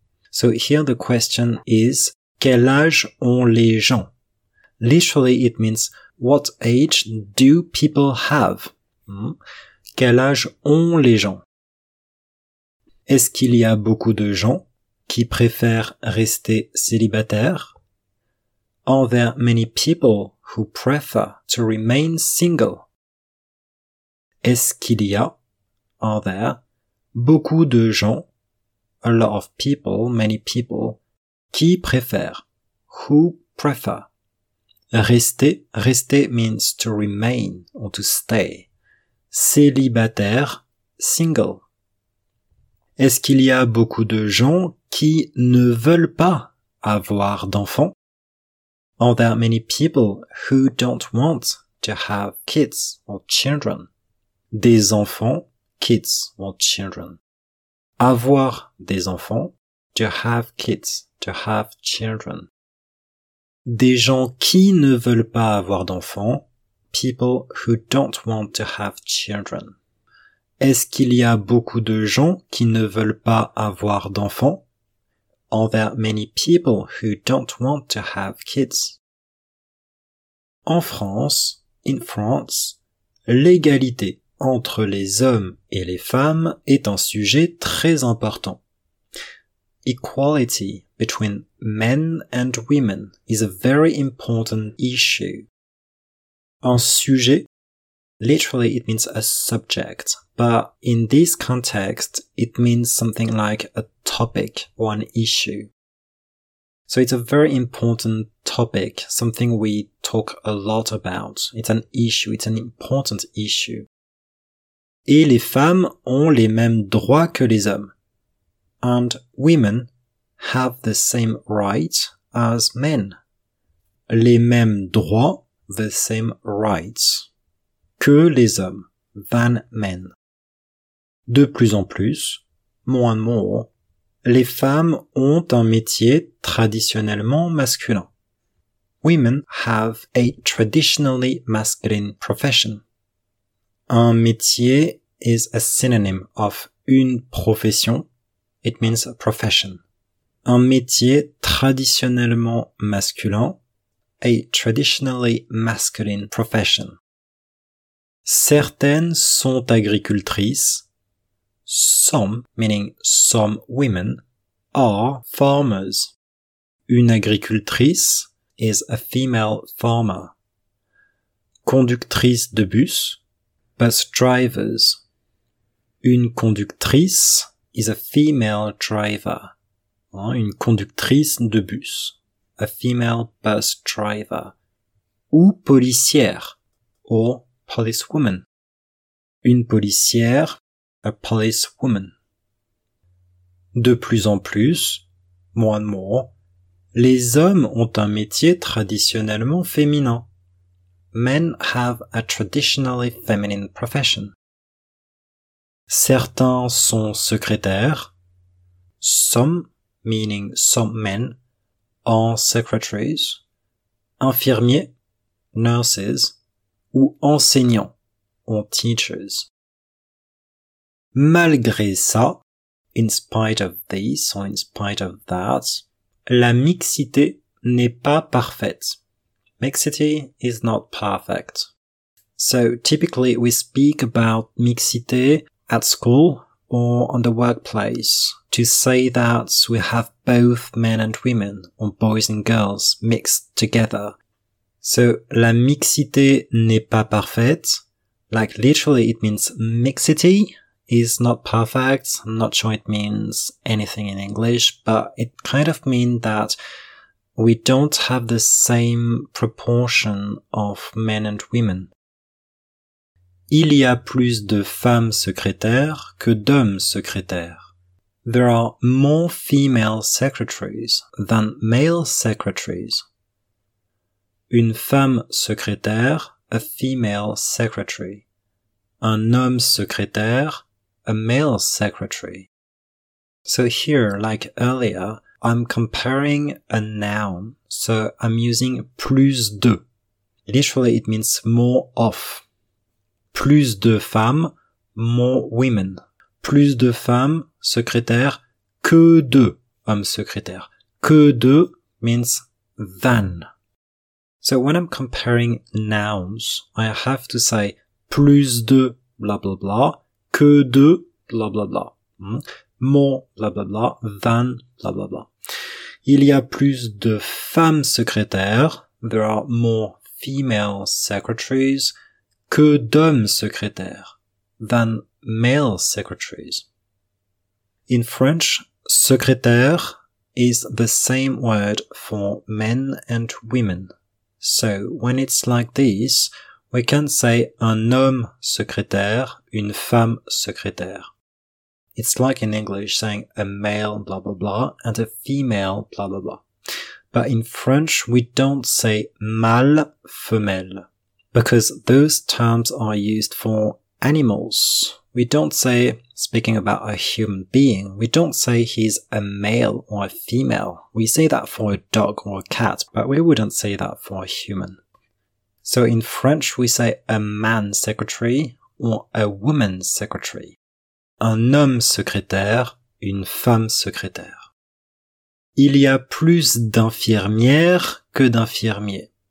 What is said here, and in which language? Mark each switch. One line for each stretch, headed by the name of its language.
English: So here the question is,
French: quel âge ont les gens?
English: Literally it means, what age do people have?
French: Quel âge ont les gens? Est-ce qu'il y a beaucoup de gens qui préfèrent rester célibataires?
English: Are there many people who prefer to remain single?
French: Est-ce qu'il y a,
English: are there,
French: beaucoup de gens,
English: a lot of people, many people,
French: qui préfèrent,
English: who prefer? Rester means to remain or to stay.
French: Célibataire,
English: single.
French: Est-ce qu'il y a beaucoup de gens qui ne veulent pas avoir d'enfants?
English: Are there many people who don't want to have kids or children?
French: Des enfants,
English: kids or children.
French: Avoir des enfants,
English: to have kids, to have children.
French: Des gens qui ne veulent pas avoir d'enfants,
English: people who don't want to have children.
French: Est-ce qu'il y a beaucoup de gens qui ne veulent pas avoir d'enfants?
English: Are there many people who don't want to have kids?
French: En France,
English: in France,
French: l'égalité entre les hommes et les femmes est un sujet très important.
English: Equality between men and women is a very important issue.
French: Un sujet,
English: literally it means a subject. But in this context, it means something like a topic or an issue. So it's a very important topic, something we talk a lot about. It's an issue, it's an important issue.
French: Et les femmes ont les mêmes droits que les hommes.
English: And women have the same rights as men.
French: Les mêmes droits,
English: the same rights.
French: Que les hommes,
English: than men.
French: De plus en plus,
English: more and more,
French: les femmes ont un métier traditionnellement masculin.
English: Women have a traditionally masculine profession.
French: Un métier
English: is a synonym of
French: une profession.
English: It means a profession.
French: Un métier traditionnellement masculin.
English: A traditionally masculine profession.
French: Certaines sont agricultrices.
English: Some, meaning some women, are farmers.
French: Une agricultrice
English: is a female farmer.
French: Conductrice de bus,
English: bus drivers.
French: Une conductrice
English: is a female driver.
French: Une conductrice de bus,
English: a female bus driver.
French: Ou policière,
English: or policewoman.
French: Une policière,
English: a policewoman.
French: De plus en plus,
English: more and more,
French: les hommes ont un métier traditionnellement féminin.
English: Men have a traditionally feminine profession.
French: Certains sont secrétaires.
English: Some, meaning some men, are secretaries.
French: Infirmiers,
English: nurses,
French: ou enseignants,
English: or teachers.
French: Malgré ça,
English: in spite of this or in spite of that,
French: la mixité n'est pas parfaite.
English: Mixity is not perfect. So typically we speak about mixité at school or on the workplace to say that we have both men and women or boys and girls mixed together. So
French: la mixité n'est pas parfaite.
English: Like literally it means mixity is not perfect. I'm not sure it means anything in English, but it kind of means that we don't have the same proportion of men and women.
French: Il y a plus de femmes secrétaires que d'hommes secrétaires.
English: There are more female secretaries than male secretaries.
French: Une femme secrétaire,
English: a female secretary.
French: Un homme secrétaire,
English: a male secretary. So here, like earlier, I'm comparing a noun, so I'm using
French: plus de.
English: Literally, it means more of.
French: Plus de femmes,
English: more women.
French: Plus de femmes, secrétaires, que de hommes secrétaires. Que de
English: means than. So when I'm comparing nouns, I have to say
French: plus de
English: blah blah blah,
French: que de
English: blah blah blah, more blah blah blah, than blah blah blah.
French: Il y a plus de femmes secrétaires,
English: there are more female secretaries,
French: que d'hommes secrétaires,
English: than male secretaries. In French, secrétaire is the same word for men and women. So when it's like this, we can say
French: un homme secrétaire, une femme secrétaire.
English: It's like in English saying a male blah blah blah and a female blah blah blah. But in French, we don't say
French: mâle, femelle,
English: because those terms are used for animals. We don't say, speaking about a human being, we don't say he's a male or a female. We say that for a dog or a cat, but we wouldn't say that for a human. So in French, we say a man secretary or a woman secretary.
French: Un homme secrétaire, une femme secrétaire. Il y a plus d'infirmières que d'infirmiers.